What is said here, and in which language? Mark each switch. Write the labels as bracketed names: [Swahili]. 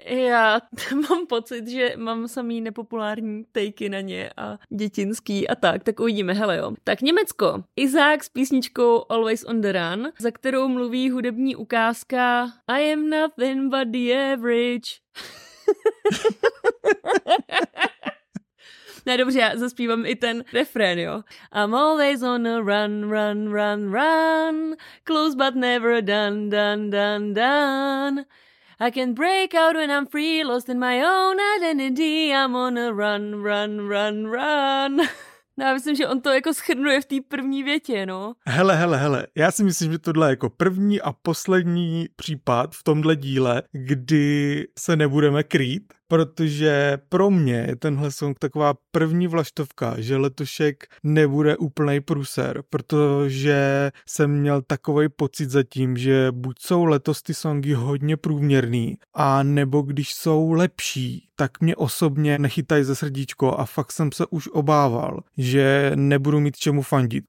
[Czech] Já mám pocit, že mám samý nepopulární tejky na ně a dětinský a tak, tak uvidíme, hele jo. Tak Německo, Isaac s písničkou Always on the Run, za kterou mluví hudební ukázka [English] I am nothing but the average. [Czech] Ne, dobře, já zaspívám i ten refrén, jo. [English] I'm always on a run, run, run, run, close but never done, done, done, done. I can break out when I'm free, lost in my own identity, I'm on a run, run, run, run. [Czech] No já myslím, že on to jako shrnuje v té první větě, no. Hele, já si myslím, že tohle je jako první a poslední případ v tomhle díle, kdy se nebudeme krýt, protože pro mě je tenhle song taková první vlaštovka, že letošek nebude úplný průser, protože jsem měl takový pocit zatím, že buď jsou letos ty songy hodně průměrný, a nebo když jsou lepší, tak mě osobně nechytají ze srdíčko a fakt jsem se už obával, že nebudu mít čemu fandit.